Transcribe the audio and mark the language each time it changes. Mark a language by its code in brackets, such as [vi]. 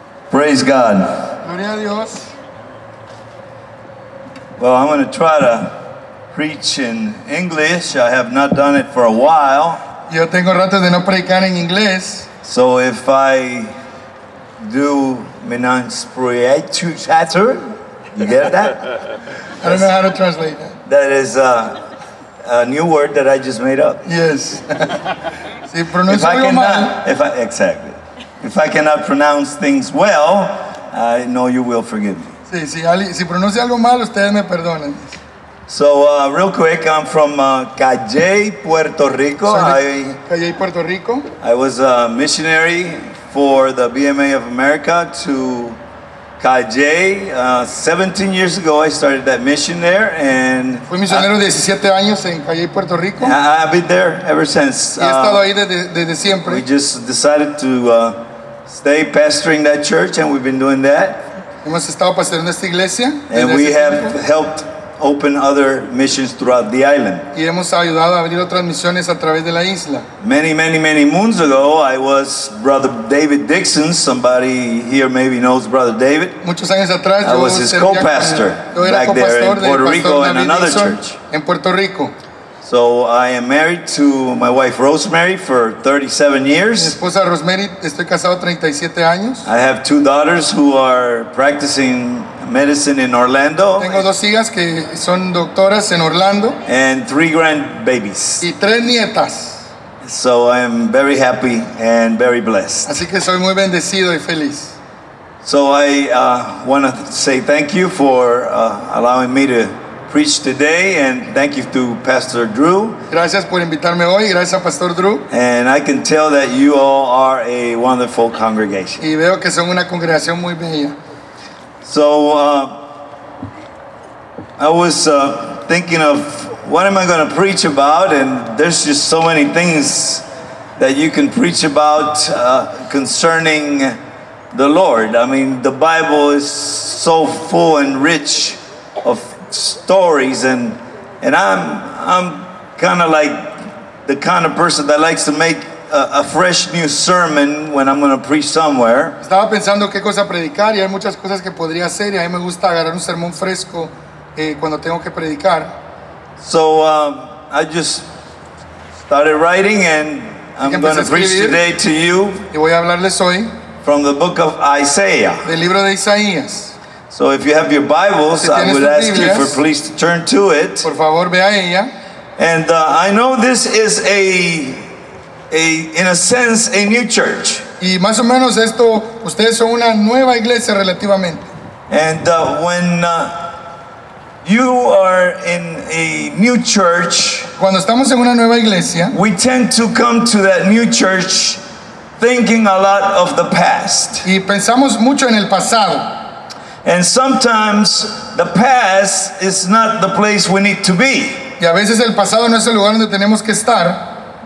[en] Praise God. [es] Gloria a Dios. [en] Well, I'm going to try to preach in English. I have not done it for a while. [es] Yo tengo rato de no predicar en inglés. [en] So if I do mispronunciate chatter, you get that? I don't know how to translate that. That is a new word that I just made up. Yes. [es] Si pronuncio muy mal. [en] Exactly. If I cannot pronounce things well, I know you will forgive me. [es] Sí, si pronuncio algo mal, ustedes me perdonen. [en] So, real quick, I'm from Calle, Puerto Rico. Calle, Puerto Rico. I was a missionary for the BMA of America to Calle. 17 years ago, I started that mission there. [es] Fui misionero 17 años en Calle, Puerto Rico. [en] I've been there ever since. [es] Y he estado ahí desde siempre. [en] We just decided to stay pastoring that church, and we've been doing that. [es] Hemos estado pastoreando esta iglesia. [en] And we have helped open other missions throughout the island. [es] Y hemos ayudado a abrir otras misiones a través de la isla. [en] Many, many, many moons ago, I was Brother David Dixon. Somebody here maybe knows Brother David. [es] Muchos años atrás, [en] I was his co-pastor back there in Puerto Rico and another church. [es] En Puerto Rico. [en] So I am married to my wife Rosemary for 37 years. [es] Mi esposa Rosemary, estoy casado 37 años. [en] I have two daughters who are practicing medicine in Orlando. [es] Tengo dos hijas que son doctoras en Orlando. [en] And three grandbabies. [es] Y tres nietas. [en] So I am very happy and very blessed. [es] Así que soy muy bendecido y feliz. [en] So I want to say thank you for allowing me to preach today, and thank you to Pastor Drew. [es] Gracias por invitarme hoy. Gracias, Pastor Drew. [en] And I can tell that you all are a wonderful congregation. [es] Y veo que son una congregación muy bella. [en] So I was thinking of what am I going to preach about, and there's just so many things that you can preach about concerning the Lord. I mean, the Bible is so full and rich of stories, and I'm kind of like the kind of person that likes to make a fresh new sermon when I'm going to preach somewhere. [es] Estaba pensando qué cosa predicar, y hay muchas cosas que podría hacer, y a mí me gusta agarrar un sermón fresco cuando tengo que predicar. [en] So I just started writing, and I'm going to preach today to you. [es] Y voy a hablarles hoy [en] from the book of Isaiah. [es] Del libro de Isaías. [en] So if you have your Bibles, I would ask you for please to turn to it. [es] Por favor, ve a ella. [en] And I know this is in a sense, a new church. [es] Y más o menos esto, ustedes son una nueva iglesia relativamente. [en] And when you are in a new church, [es] cuando estamos en una nueva iglesia, [en] we tend to come to that new church thinking a lot of the past. [es] Y pensamos mucho en el pasado. [en] And sometimes the past is not the place we need to be. [es] Y a veces el pasado no es el lugar donde tenemos que estar.